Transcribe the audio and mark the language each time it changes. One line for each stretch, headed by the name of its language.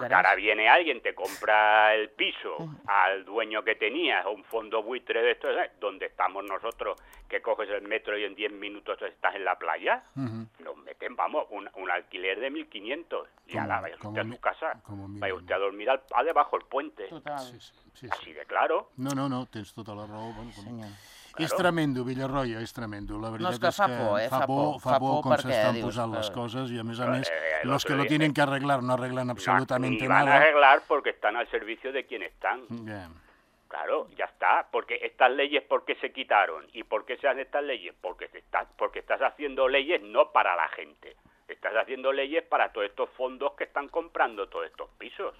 Spanish: Porque ahora viene alguien, te compra el piso al dueño que tenías, un fondo buitre de esto, donde estamos nosotros, que coges el metro y en 10 minutos estás en la playa, nos meten, vamos, un alquiler de 1.500 y ahora vais usted a tu casa, vais usted a dormir a debajo del puente. Total. Sí, sí, sí, así de claro.
Catalan: No, tens tota la raó. Bueno, com... Claro. És tremendo, Villarroya, és tremendo. La veritat no, és que fa por, fa por com s'estan posant les coses i, a més a més, els que
Spanish: lo tienen que arreglar
Catalan: no arreglen absolutament nada.
Spanish: Ni van a arreglar porque están al servicio de quien están. Yeah. Claro, ya está. Porque estas leyes, ¿por qué se quitaron? ¿Y por qué se hacen estas leyes? Porque estás haciendo leyes no para la gente. Estás haciendo leyes para todos estos fondos que están comprando todos estos pisos.